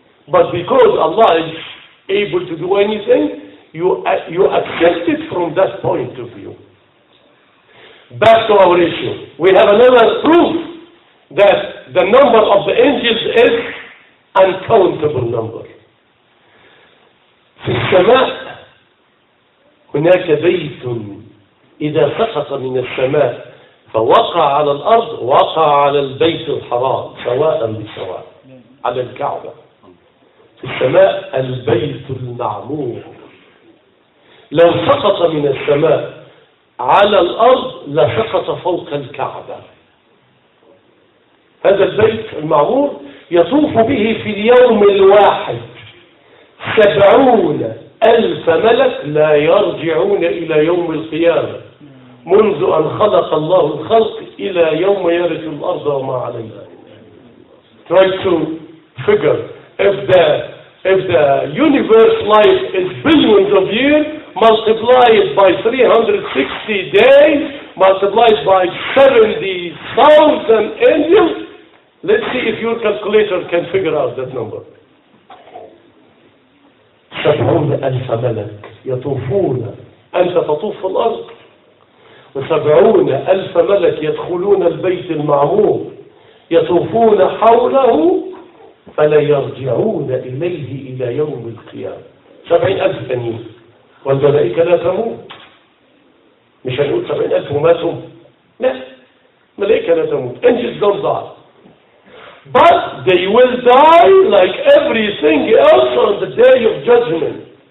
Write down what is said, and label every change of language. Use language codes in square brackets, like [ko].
[en] But because Allah is able to do anything, you accept it from that point of view. Back to our issue. We have another proof that the number of the angels is uncountable number. [ar] في السماء هناك بيت إذا سقط من السماء فوقع على الأرض وقع على البيت الحرام سواء بسواء على الكعبة. في السماء البيت المعمور. لو سقط من السماء على الأرض لسقط فوق الكعبة. هذا البيت المعمور يطوف به في اليوم الواحد 70,000 ملك لا يرجعون إلى يوم القيامة منذ أن خلق الله الخلق إلى يوم يرث الأرض وما عليها. [en] Try to figure if the universe life is billions of years multiplied by 360 days multiplied by 70,000 angels, let's see if your calculator can figure out that number. [ar] 70,000 ملك يطوفون أنت تطوف الأرض وسبعون ألف ملك يدخلون البيت المعمور يطوفون حوله فلا يرجعون إليه إلى يوم القيامة. 70,000 بنين والملائكة لا تموت. مش هنقول 70,000 وماتوا. لا، الملائكة لا تموت. [en] Angels don't die. But they will die like everything else on the day of judgment.